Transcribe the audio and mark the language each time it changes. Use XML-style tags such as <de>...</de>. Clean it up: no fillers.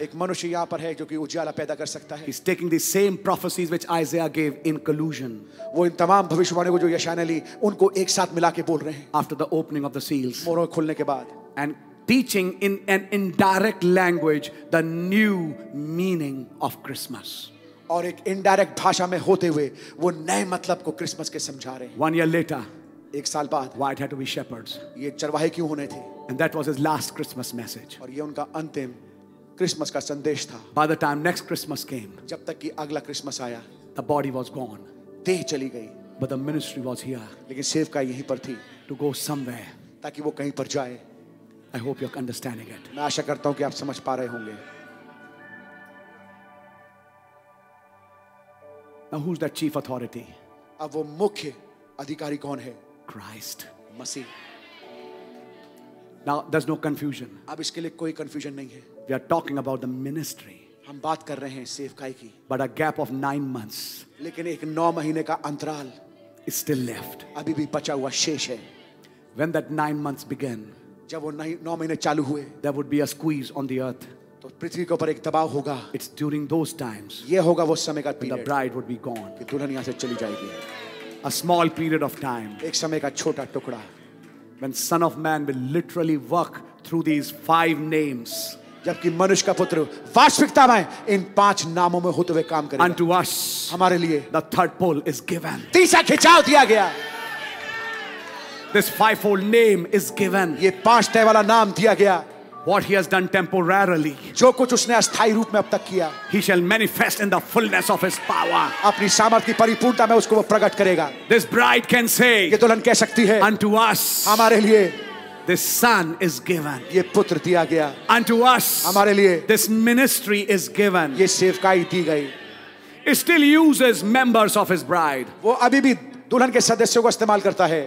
<hi>एक मनुष्य यहाँ पर है जो कि उजाला पैदा कर सकता है.</hi> <en>He's taking the same prophecies which Isaiah gave in collusion.</en> <hi>वो इन तमाम भविष्यवाणियों को जो यशायाह ने ली, उनको एक साथ मिला के बोल रहे हैं.</hi> <en>After the opening of the seals.</en> <hi>मोहरों खुलने के बाद.</hi> <en>And teaching in an indirect language the new meaning of Christmas.</en> <hi>और एक indirect भाषा में होते हुए वो नए मतलब को क्रिसमस के समझा रहे हैं.</hi> <en>One year later.</en> <hi>एक साल बाद.</hi> <en>Why it had to be shepherds?</en> <hi>ये चरवाहे क्यों होने थे?</hi> <en>And that was his last Christmas message.</en> <hi>और ये उनका अंतिम क्रिसमस का संदेश था.</hi> <en>By the time next Christmas came,</en> <hi>जब तक कि अगला क्रिसमस आया,</hi> <en>the body was gone.</en> <hi>देह चली गई.</hi> <en>But the ministry was here.</en> <hi>लेकिन सेवकाई यहीं पर थी.</hi> <en>To go somewhere.</en> <hi>ताकि वो कहीं पर जाए.</hi> <en>I hope you're understanding it.</en> <hi>मैं आशा करता हूँ कि आप समझ पा रहे होंगे.</hi> <en>Now who's that chief authority?</en> <hi>अब वो मुख्य अधिकारी कौन है?</hi> <en>Christ.</en> <hi>मसीह.</hi> <en>Now there's no confusion.</en> <hi>अब इसके लिए कोई confusion नहीं है.</hi> <en>We are talking about the ministry.</en> <hi>हम बात कर रहे हैं सेवकाई की.</hi> <en>But a gap of 9 months.</en> <hi>लेकिन एक 9 महीने का अंतराल.</hi> <en>Is still left.</en> <hi>अभी भी बचा हुआ शेष है.</hi> <en>When that 9 months began.</en> <hi>जब वो 9 महीने चालू हुए.</hi> <en>There would be a squeeze on the earth.</en> <hi>तो पृथ्वी के ऊपर एक दबाव होगा.</hi> <en>It's during those times.</en> <hi>ये होगा वो समय का period.</hi> <en>The bride would be gone.</en> <hi>कि दुल्हन यहाँ से चली जाएगी.</hi> <en>A small period of time.</en> <hi>एक समय का छोटा टुकड़ा.</hi> <en>When Son of Man will literally work through these 5 names.</en> <hi>जबकि मनुष्य का पुत्र वास्तविकता में इन 5 नामों में होते हुए काम करेगा.</hi> <en>Unto us.</en> <hi>हमारे लिए.</hi> <en>The third pole is given.</en> <hi>तीसरा खिंचाव दिया गया.</hi> <en>This fivefold name is given.</en> <hi>ये 5 तह वाला नाम दिया गया.</hi> <en>What he has done temporarily.</en> <hi>जो कुछ उसने अस्थाई रूप में अब तक किया.</hi> <en>He shall manifest in the fullness of his power.</en> <hi>अपनी सामर्थ्य की परिपूर्णता में उसको वो प्रकट करेगा.</hi> <en>This bride can say.</en> <hi>ये दुल्हन कह सकती है.</hi> <en>Unto us.</en> <hi>हमारे लिए.</hi> <en>This son is given.</en> <hi>ये पुत्र दिया गया.</hi> <en>Unto us.</en> <hi>हमारे लिए.</hi> <en>This ministry is given.</en> <hi>ये सेवकाई दी गई.</hi> <en>He still uses members of his bride.</en> <hi>वो अभी भी दुल्हन के सदस्यों को इस्तेमाल करता है.</hi>